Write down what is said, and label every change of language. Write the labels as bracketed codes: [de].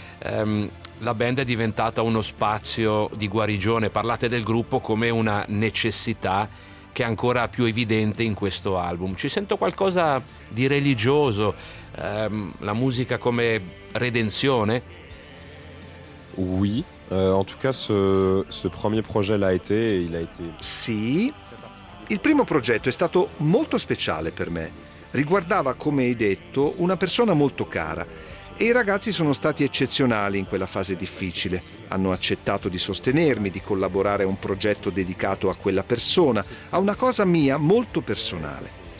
[it] La band è diventata uno spazio di guarigione. Parlate del gruppo come una necessità che è ancora più evidente in questo album. Ci sento qualcosa di religioso, la musica come redenzione. [fr] Oui, en tout cas ce premier projet l'a été, il a été... [it] Sì, il primo progetto è stato molto speciale per me. riguardava, come hai detto, una persona molto cara. E i ragazzi sono stati eccezionali in quella fase difficile. Hanno accettato di sostenermi, di collaborare a un progetto dedicato a quella persona, a una cosa mia molto personale.